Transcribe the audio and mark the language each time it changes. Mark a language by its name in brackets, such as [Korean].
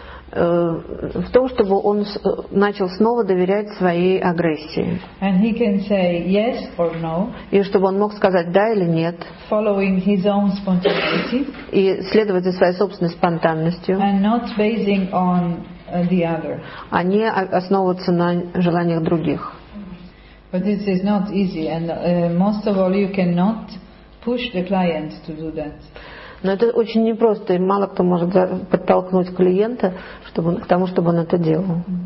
[Russian] В том, чтобы он начал снова доверять своей агрессии. [English] And he can say yes or no. [Russian] И чтобы он мог сказать да или нет. [English] Following his own spontaneity. [Russian] И следовать за своей собственной спонтанностью. [English] And not basing on the other. [Russian] А не основываться на желаниях других. [English] But this is not easy, and most of all, you cannot push the client to do that. [Russian] Но это очень непросто, и мало кто может подтолкнуть клиента, чтобы к тому, чтобы он это делал.